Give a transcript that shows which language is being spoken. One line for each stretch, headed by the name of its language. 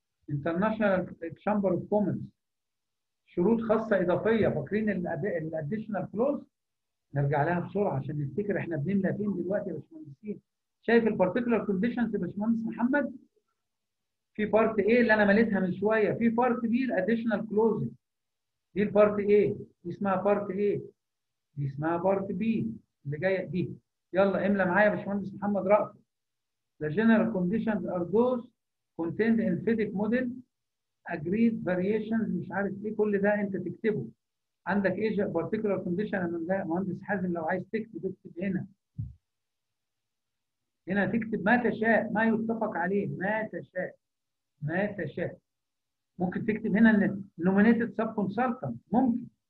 Arabic: انترناشونال تشامبر اوف كومنز، شروط خاصه اضافيه، فاكرين الاديشنال كلوز؟ نرجع لها بسرعه عشان نفتكر احنا بنملى فين دلوقتي يا باشمهندسين. شايف البارتيكولار كونديشنز يا باشمهندس محمد؟ في بارت ايه اللي انا مليتها من شويه، في بارت بي الاديشنال كلوز، دي البارت ايه، دي اسمها بارت ايه، دي اسمها بارت بي اللي جايه دي. يلا املى معايا يا باشمهندس محمد رأفت.
English: The general conditions are those contained in FIDIC model agreed variations،
Arabic: مش عارف ايه كل ده انت تكتبه. عندك ايه particular condition يا مهندس حازم؟ لو عايز تكتب اكتب هنا. هنا تكتب ما تشاء، ما يتفق عليه، ما تشاء، ما تشاء. ممكن تكتب هنا nominated sub consultant، ممكن.